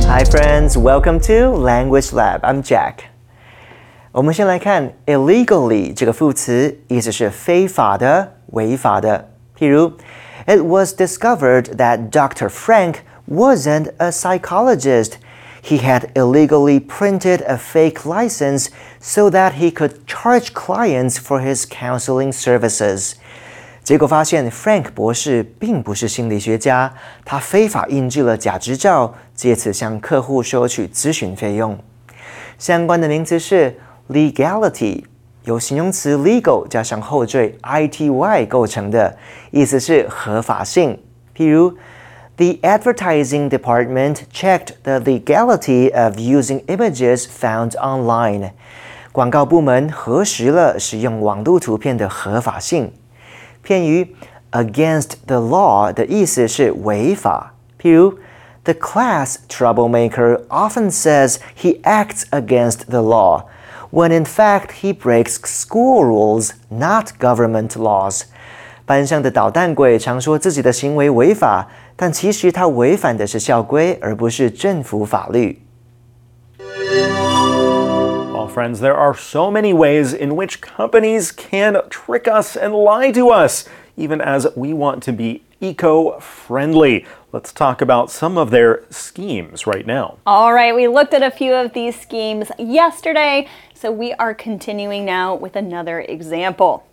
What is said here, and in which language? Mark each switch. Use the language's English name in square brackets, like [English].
[English] Friends, welcome to Language Lab. I'm Jack. [Chinese] 我们先来看 illegally 这个副词，意思是非法的、违法的。譬如 [English] ，It was discovered that Dr. Frank wasn't a psychologist. He had illegally printed a fake license so that he could charge clients for his counseling services. [Chinese] 结果发现 Frank 博士并不是心理学家，他非法印制了假执照，借此向客户收取咨询费用。相关的名词是 legality， 由形容词 legal 加上后缀 ity 构成的，意思是合法性。譬如 [English] ，The advertising department checked the legality of using images found online。 [Chinese] 广告部门核实了使用网络图片的合法性。偏于 against the law 的意思是违法。譬如 [English] ，the class troublemaker often says he acts against the law, when in fact he breaks school rules, not government laws。 [Chinese] 班上的捣蛋鬼常说自己的行为违法，但其实他违反的是校规，而不是政府法律。 [English] Friends, there are so many ways in which companies can trick us and lie to us, even as we want to be eco-friendly. Let's talk about some of their schemes right now. All right, we looked at a few of these schemes yesterday, so we are continuing now with another example.